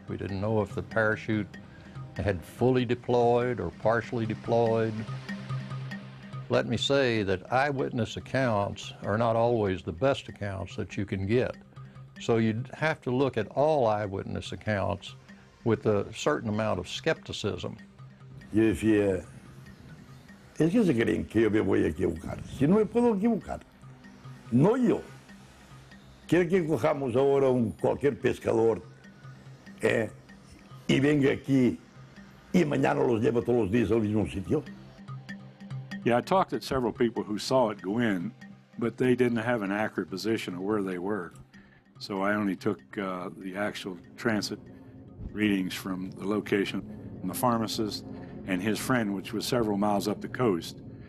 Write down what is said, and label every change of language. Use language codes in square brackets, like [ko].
[en] We didn't know if the parachute had fully deployed or partially deployed. let me say that eyewitness accounts are not always the best accounts that you can get. So you have to look at all eyewitness accounts with a certain amount of skepticism. [es] Yo decía, es que se creen que yo me voy a equivocar. Si no me puedo equivocar, no yo. Quiere que cojamos ahora un cualquier pescador y venga aquí y mañana los lleva todos los días al mismo sitio. [en] Yeah, I talked to several people who saw it go in, but they didn't have an accurate position of where they were. So I only took the actual transit readings from the location and the pharmacist and his friend, which was several miles up the coast.